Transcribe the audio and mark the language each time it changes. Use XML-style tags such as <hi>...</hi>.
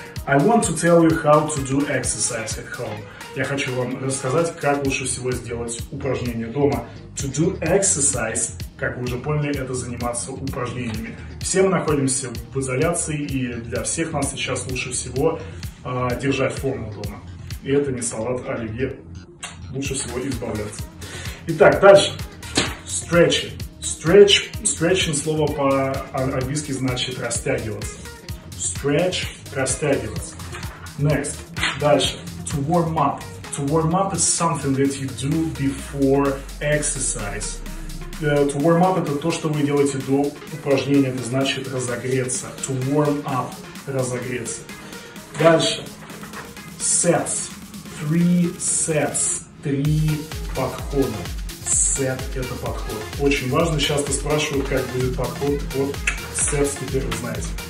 <en>I want to tell you how to do exercise at home.</en> <ru>Я хочу вам рассказать, как лучше всего сделать упражнение дома.</ru> <en>To do exercise,</en> <ru>как вы уже поняли, это заниматься упражнениями. Все мы находимся в изоляции и для всех нас сейчас лучше всего держать форму дома. И это не салат оливье. Лучше всего избавляться. Итак, дальше. Stretching. Stretching слово по-английски значит растягиваться.</ru> <en>Stretch,</en> <ru>растягиваться.</ru> <en>Next.</en> <ru>Дальше.</ru> <en>To warm up. To warm up is something that you do before exercise. To warm up</en> <ru>это то, что вы делаете до упражнения. Это значит разогреться.</ru> <en>To warm up.</en> <ru>Разогреться. Дальше.</ru> <en>Sets. Three sets.</en> <ru>Три подхода. Set – это подход. Очень важно. Часто спрашивают, как будет подход. Вот set теперь вы знаете.</ru>